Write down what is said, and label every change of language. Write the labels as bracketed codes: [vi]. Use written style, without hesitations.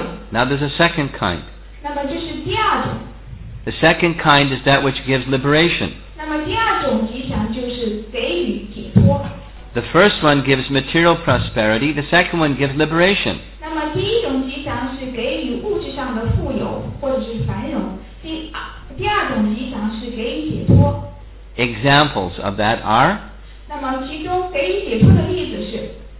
[en] Now there's a second kind. [zh] 那么这是第二种. [en] The second kind is that which gives liberation. [zh] 那么第二种吉祥就是给予解脱. [en] The first one gives material prosperity, the second one gives liberation. [zh] 那么第一种吉祥是给予物质上的富有或者是繁荣，第二种吉祥是给予解脱. [en] Examples of that are? [zh] 那么其中给予解脱的例子是?